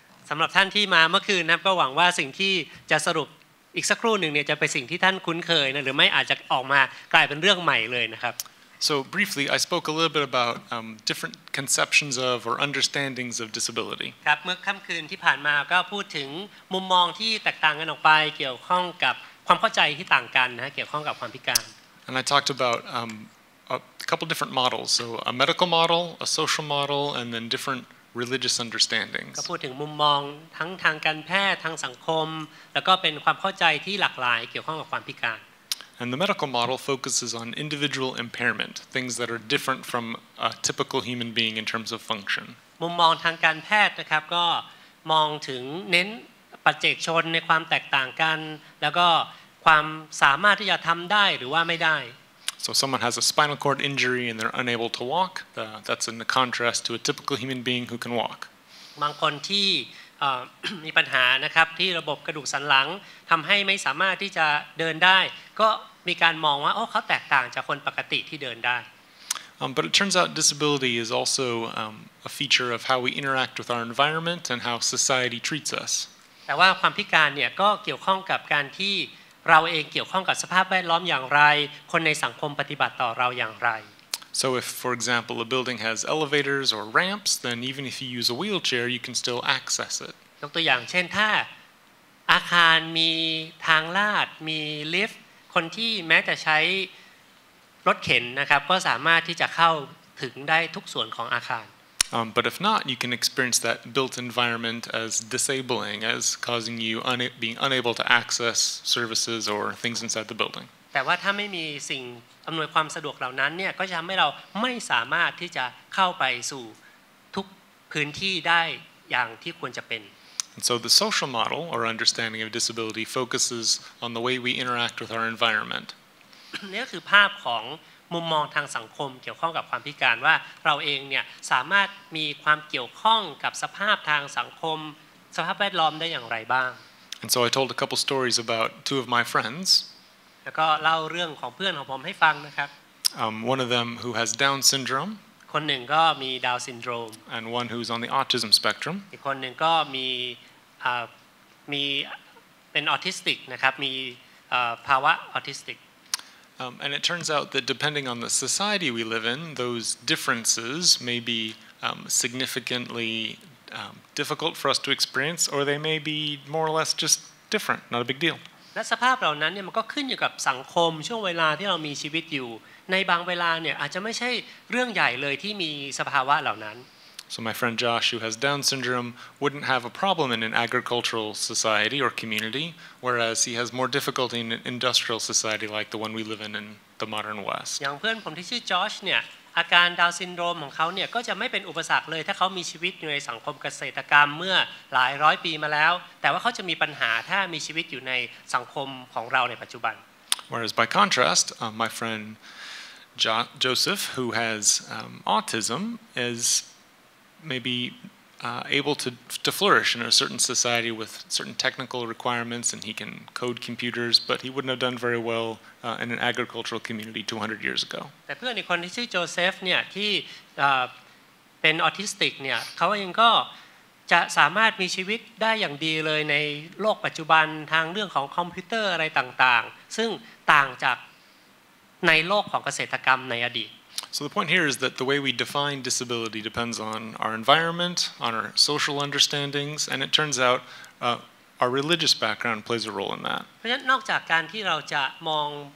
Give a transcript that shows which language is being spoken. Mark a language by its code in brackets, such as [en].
[th] สำหรับท่านที่มาเมื่อคืนนะครับก็หวังว่าสิ่งที่จะสรุปอีกสักครู่หนึ่งเนี่ยจะเป็นสิ่งที่ท่านคุ้นเคยนะหรือไม่อาจจะออกมากลายเป็นเรื่องใหม่เลยนะครับ [en] So briefly, I spoke a little bit about different conceptions of or understandings of disability. [th] ครับเมื่อค่ำคืนที่ผ่านมาก็พูดถึงมุมมองที่แตกต่างกันออกไปเกี่ยวข้องกับความเข้าใจที่ต่างกันนะเกี่ยวข้องกับความพิการ [en] And I talked about a couple different models, so a medical model, a social model, and then different religious understandings. [th] ก็พูดถึงมุมมองทั้งทางการแพทย์ทางสังคมแล้วก็เป็นความเข้าใจที่หลากหลายเกี่ยวข้องกับความพิการ [en] And the medical model focuses on individual impairment, things that are different from a typical human being in terms of function. [th] มุมมองทางการแพทย์นะครับก็มองถึงเน้นปัจเจกชนในความแตกต่างกันแล้วก็ความสามารถที่จะทำได้หรือว่าไม่ได้ [en] So someone has a spinal cord injury and they're unable to walk. That's in the contrast to a typical human being who can walk. [th] บางคนที่มีปัญหานะครับที่ระบบกระดูกสันหลังทำให้ไม่สามารถที่จะเดินได้ก็มีการมองว่าโอ้เขาแตกต่างจากคนปกติที่เดินได้ [en] But it turns out disability is also a feature of how we interact with our environment and how society treats us. [th] แต่ว่าความพิการเนี่ยก็เกี่ยวข้องกับการที่เราเองเกี่ยวข้องกับสภาพแวดล้อมอย่างไรคนในสังคมปฏิบัติต่อเราอย่างไร [en] So if for example a building has elevators or ramps then even if you use a wheelchair you can still access it. [th] ยกตัวอย่างเช่นถ้าอาคารมีทางลาดมีลิฟต์คนที่แม้จะใช้รถเข็นนะครับก็สามารถที่จะเข้าถึงได้ทุกส่วนของอาคาร [en] But if not you can experience that built environment as disabling as causing you being unable to access services or things inside the building [th] แต่ว่าถ้าไม่มีสิ่งอำนวยความสะดวกเหล่านั้นเนี่ยก็จะทำให้เราไม่สามารถที่จะเข้าไปสู่ทุกพื้นที่ได้อย่างที่ควรจะเป็น [en] And so the social model or understanding of disability focuses on the way we interact with our environment. [th] นี่คือภาพของมุมมองทางสังคมเกี่ยวข้องกับความพิการว่าเราเองเนี่ยสามารถมีความเกี่ยวข้องกับสภาพทางสังคมสภาพแวดล้อมได้อย่างไรบ้าง [en] And so I told a couple stories about two of my friends. [th] แล้วก็เล่าเรื่องของเพื่อนของผมให้ฟังนะครับ [en] One of them who has Down syndrome. [th] คนหนึ่งก็มีดาวซินโดรม [en] and one who's on the autism spectrum [th] อีกคนนึงก็มีเป็นออทิสติกนะครับมีภาวะออทิสติก [en] and it turns out that depending on the society we live in those differences may be significantly difficult for us to experience or they may be more or less just different not a big deal [th] และสภาพเหล่านั้นเนี่ยมันก็ขึ้นอยู่กับสังคมช่วงเวลาที่เรามีชีวิตอยู่ในบางเวลาเนี่ยอาจจะไม่ใช่เรื่องใหญ่เลยที่มีสภาวะเหล่านั้น [en] So my friend Josh who has Down syndrome wouldn't have a problem in an agricultural society or community whereas he has more difficulty in an industrial society like the one we live in the modern west [th] อย่างเพื่อนผมที่ชื่อ Josh เนี่ยอาการดาวซินโดรมของเขาเนี่ยก็จะไม่เป็นอุปสรรคเลยถ้าเขามีชีวิตอยู่ในสังคมเกษตรกรรมเมื่อหลายร้อยปีมาแล้วแต่ว่าเขาจะมีปัญหาถ้ามีชีวิตอยู่ในสังคมของเราในปัจจุบัน [en] Whereas by contrast my friendJoseph, who has autism, is maybe able to flourish in a certain society with certain technical requirements, and he can code computers. But he wouldn't have done very well in an agricultural community 200 years ago. But a friend who is Joseph, who is autistic, he can still have a good life in the current world, in terms of things like computers and things like that, which are different [th] ในโลกของเกษตรกรรมในอดีต [en] So the point here is that the way we define disability depends on our environment, on our social understandings, and it turns out our religious background plays a role in that. [th] เพราะฉะนั้นนอกจากการที่เราจะมอง